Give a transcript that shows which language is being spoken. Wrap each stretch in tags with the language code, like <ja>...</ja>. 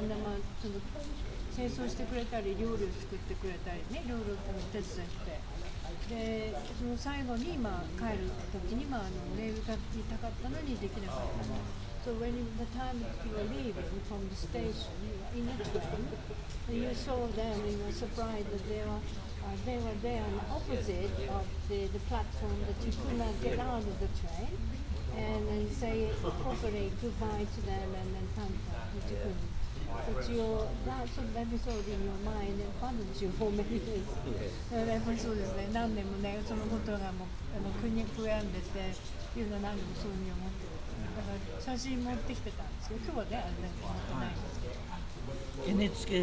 <ja>清掃してくれたり、料理を作ってくれたりね、いろいろ手伝って。で、その最後に、まあ、帰る時に、まあ、レールが来たかったのにできなかったの。</ja> <en>So when the time you were leaving from the station, in the train, you saw them and were surprised that they were there on the opposite of the platform that you could not get out of the train, and then say properly goodbye to them and then thank them, but you couldn't. But your that sort of episode in your mind and bothered you for many days.</en> <ja>Yeah, yeah. そうですね。何年もね、そのことがもうあの苦に悔やんでて、いうのは何年もそういうふうに思ってる。だから写真持ってきてたんですよ。今日はね、あれなんか持ってないんですけど。</ja>